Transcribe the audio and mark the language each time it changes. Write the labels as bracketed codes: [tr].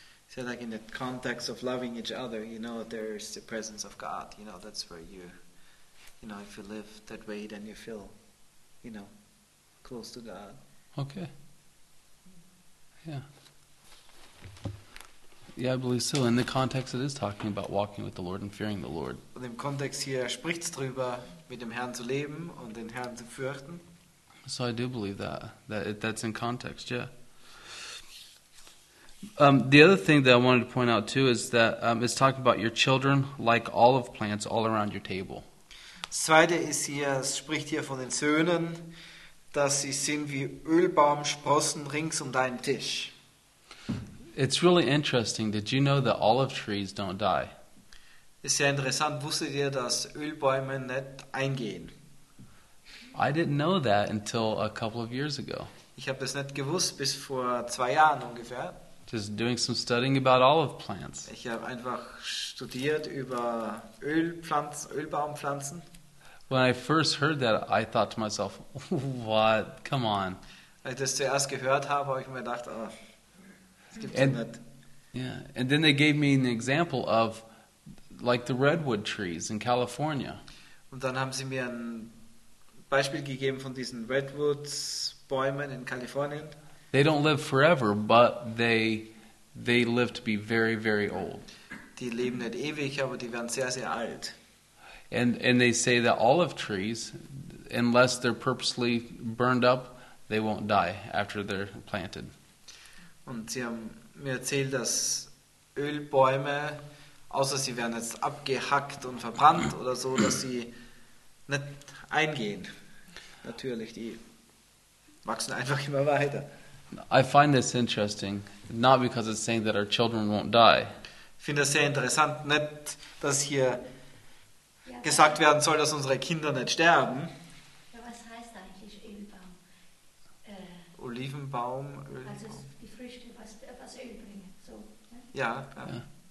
[en] So like in the context of loving each other, you know, there's the presence of God, you know, that's where you know, if you live that way, then you feel, you know, close to God. Okay. Yeah. Yeah, I believe so. In the context, it is talking about walking with the Lord and fearing the Lord. [de] Und im Kontext hier spricht's drüber, mit dem Herrn zu leben und den Herrn zu fürchten. [en] So I do believe that's in context, yeah. The other thing that I wanted to point out too is that it's talking about your children like olive plants all around your table. [de] Das zweite ist hier, es spricht hier von den Söhnen, dass sie sind wie Ölbaumsprossen rings um deinen Tisch. [en] It's really interesting. Did you know that olive trees don't die? [de] Ist sehr interessant. Wusstet ihr, dass Ölbäume nicht eingehen? [en] I didn't know that until a couple of years ago. [de] Ich habe das nicht gewusst bis vor 2 Jahren ungefähr. [en] Just doing some studying about olive plants. [de] Ich habe einfach studiert über Ölbaumpflanzen. [en] When I first heard that, I thought to myself, "What? Come on!" [de] Als ich das zuerst gehört habe, habe ich mir gedacht, oh, das gibt's ja nicht. [en] Yeah, and then they gave me an example of, like, the redwood trees in California. [de] Und dann haben sie mir ein Beispiel gegeben von diesen Redwoods-Bäumen in Kalifornien. [en] They don't live forever, but they live to be very, very old. [de] Die leben nicht ewig, aber die werden sehr, sehr alt. [en] And they say that olive trees, unless they're purposely burned up, they won't die after they're planted. [de] Und sie haben mir erzählt, dass Ölbäume, außer sie werden jetzt abgehackt und verbrannt oder so, dass sie nicht eingehen. Natürlich, die wachsen einfach immer weiter. [en] I find this interesting, not because it's saying that our children won't die. [de] Ich finde es sehr interessant, nicht, dass hier gesagt werden soll, dass unsere Kinder nicht sterben. Ja, was heißt eigentlich Ölbaum? Olivenbaum, Ölbaum. Also die Früchte, was Öl bringen. So, ne? Ja, ja.